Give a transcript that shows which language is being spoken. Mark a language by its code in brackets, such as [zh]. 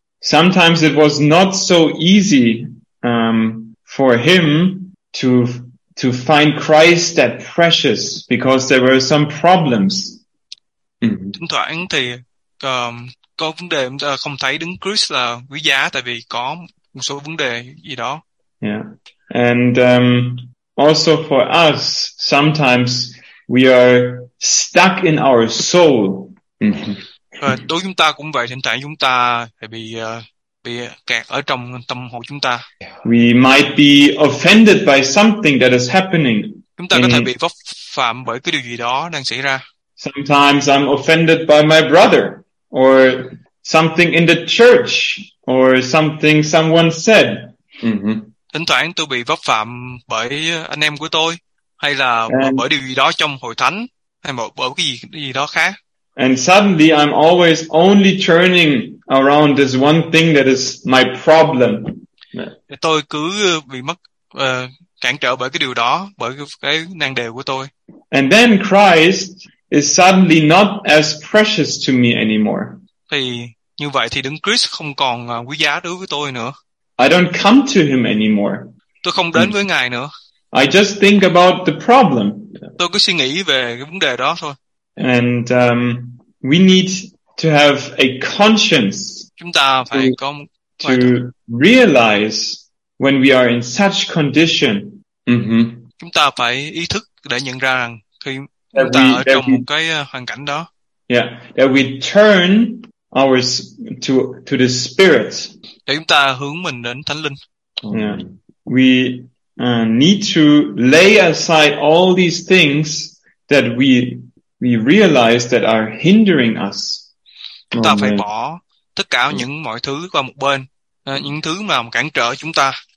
[en] Sometimes it was not so easy for him to find Christ that precious because there were some problems. [vi] Thỉnh thoảng thì có vấn đề chúng ta không thấy đứng Christ là quý giá tại vì có một số vấn đề gì đó. [en] Yeah. And also for us, sometimes we are stuck in our soul. [vi] Đối với chúng ta cũng vậy, thỉnh thoảng chúng ta bị kẹt ở trong tâm hồn chúng ta. [en] We might be offended by something that is happening. [vi] Chúng ta có thể bị vấp phạm bởi cái điều gì đó đang xảy ra. [en] Sometimes I'm offended by my brother or something in the church or something someone said. [vi] Thỉnh thoảng tôi bị vấp phạm bởi anh em của tôi hay là bởi điều gì đó trong hội thánh hay bởi cái gì đó khác. [en] And suddenly I'm always only turning around this one thing that is my problem. [vi] Tôi cứ bị mất cản trở bởi cái điều đó, bởi cái nan đề của tôi. [en] And then Christ is suddenly not as precious to me anymore. [vi] Thì như vậy thì đấng Christ không còn quý giá đối với tôi nữa. [en] I don't come to him anymore. [vi] Tôi không đến với Ngài nữa. [en] I just think about the problem. [vi] Tôi cứ suy nghĩ về cái vấn đề đó thôi. [en] And we need to have a conscience to realize when we are in such condition. Mm-hmm. [vi] Chúng ta phải ý thức để nhận ra rằng khi chúng ta ở trong một cái hoàn cảnh đó. [en] Yeah, that we turn ours to the Spirit. [vi] Để chúng ta hướng mình đến Thánh Linh. [en] Yeah, we need to lay aside all these things that we realize that are hindering us. [vi] Chúng ta phải bỏ tất cả những mọi thứ qua một bên, những thứ mà cản trở chúng ta.